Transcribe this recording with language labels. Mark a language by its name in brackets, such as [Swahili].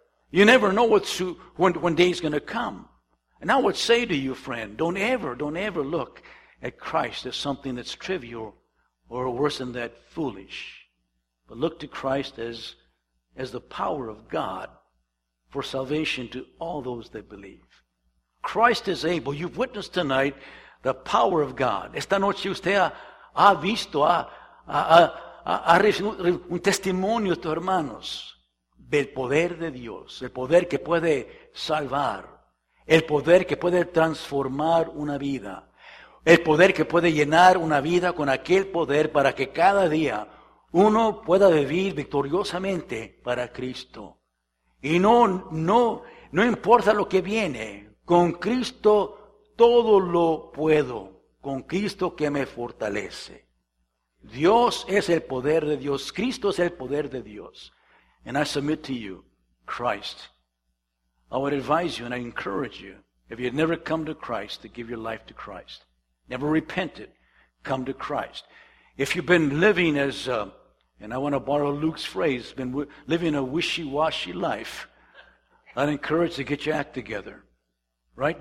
[English] You never know when day is going to come. And I would say to you, friend, don't ever look at Christ as something that's trivial or worse than that, foolish. But look to Christ as the power of God for salvation to all those that believe. Christ is able. You've witnessed tonight the power of God. [Spanish] Esta noche usted ha visto, ha recibido un testimonio de tus hermanos del poder de Dios, el poder que puede salvar. El poder que puede transformar una vida. El poder que puede llenar una vida con aquel poder para que cada día uno pueda vivir victoriosamente para Cristo. Y no importa lo que viene, con Cristo todo lo puedo, con Cristo que me fortalece. Dios es el poder de Dios, Cristo es el poder de Dios. [English] And I submit to you, Christ. I would advise you and I encourage you, if you had never come to Christ, to give your life to Christ. Never repented, come to Christ. If you've been living and I want to borrow Luke's phrase, been living a wishy-washy life, I'd encourage you to get your act together. Right?